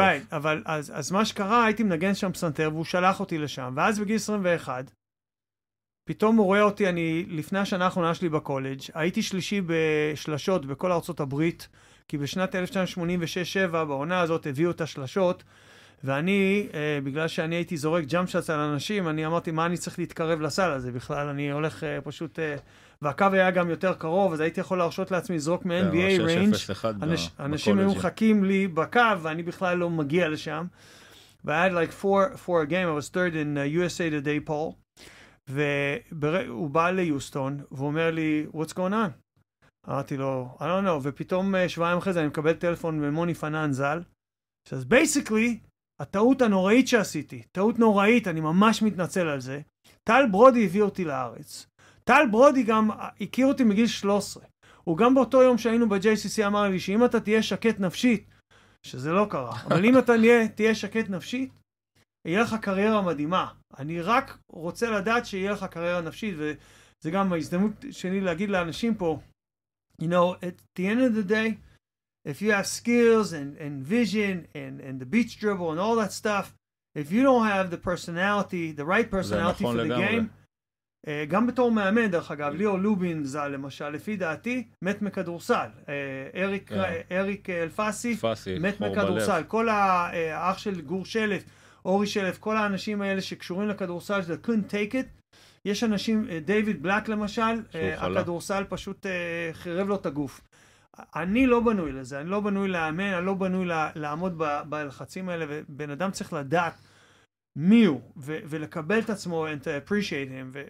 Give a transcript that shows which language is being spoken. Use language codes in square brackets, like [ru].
[he] Right, אבל אז מה שקרה, הייתי מנגן שם סנטר, והוא שלח אותי לשם, ואז בגיל 21, פתאום הוא רואה אותי, אני, לפני השנה האחרונה שלי בקולג', הייתי שלישי בשלשות בכל ארצות הברית, כי בשנת 1986-7, בעונה הזאת, הביאו את השלשות, ואני, בגלל שאני הייתי זורק ג'אמפשאץ על אנשים, אני אמרתי, מה אני צריך להתקרב לסל הזה בכלל? אני הולך פשוט, והקו היה גם יותר קרוב, אז הייתי יכול להרשות לעצמי לזרוק מ-NBA range. אנשים היו מחכים לי בקו, ואני בכלל לא מגיע לשם. [en] But I had like four a game, I was third in USA Today poll. [he] והוא בא ליוסטון, והוא אומר לי, [en] what's going on? [he] אמרתי לו, [en] I don't know, [he] ופתאום שבועיים אחרי זה, אני מקבל טלפון ממוני פנן זל, says, basically, הטעות הנוראית שעשיתי, טעות נוראית, אני ממש מתנצל על זה, טל ברודי הביא אותי לארץ, טל ברודי גם הכיר אותי מגיל 13, הוא גם באותו יום שהיינו ב-JCC אמר לי, שאם אתה תהיה שקט נפשית, שזה לא קרה, אבל אם אתה תהיה שקט נפשית, יהיה לך קריירה מדהימה. אני רק רוצה לדעת שיהיה לך קריירה נפשית, וזה גם ההזדמנות שלי להגיד לאנשים פה, [en] you know, at the end of the day, if you have skills and vision and the beach dribble and all that stuff, if you don't have the personality, the right personality for the game, [he] גם בתור מאמן, דרך אגב, ליאו לובין זה למשל, לפי דעתי, מת מכדורסל. אריק אלפסי מת מכדורסל. כל האח של גור שלף, אורי שלף, כל האנשים האלה שקשורים לכדורסל, [en] they couldn't take it. [he] יש אנשים, דייוויד בלק למשל, הכדורסל פשוט חירב לו את הגוף. אני לא בנוי לזה, אני לא בנוי לאמן, אני לא בנוי לעמוד בלחצים האלה, ובן אדם צריך לדעת מי הוא, ולקבל את עצמו [en] and to appreciate him.